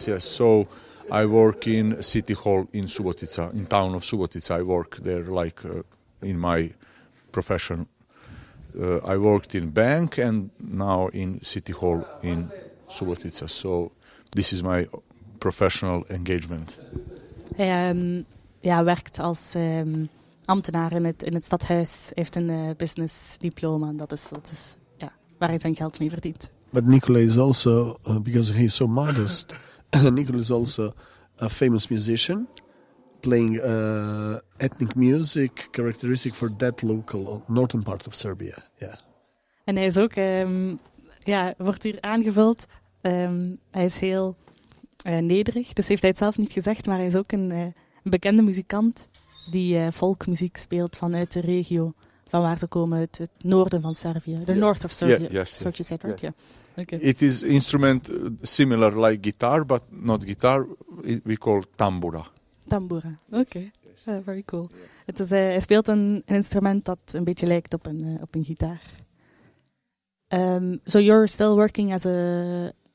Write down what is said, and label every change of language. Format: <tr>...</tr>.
<en>So I work in City Hall in Subotica, in town of Subotica. I work there like in my profession. I worked in bank and now in City Hall in. Subotica. So this is my professional engagement.</en> <nl>Hij werkt als ambtenaar in het stadhuis, heeft een business diploma en dat is waar hij zijn geld mee verdient.</nl> <en>But Nicola is also, because he is so modest, Nicola is also a famous musician, playing ethnic music, characteristic for that local, northern part of Serbia. Yeah.</en> <nl>En hij is ook, wordt hier aangevuld... hij is heel nederig, dus heeft hij het zelf niet gezegd, maar hij is ook een bekende muzikant die folkmuziek speelt vanuit de regio, van waar ze komen, het noorden van Servië.</nl> <en>The north of Serbia,</en> <nl>zoals je zei,</nl> <en>right? Yeah. Okay. It is instrument similar like guitar, but not guitar. We call tambura. Tambura, oké. Okay. Yes. Very cool. Yes.</en> <nl>Het is, hij speelt een instrument dat een beetje lijkt op een gitaar.</nl> <en>So you're still working as a</en>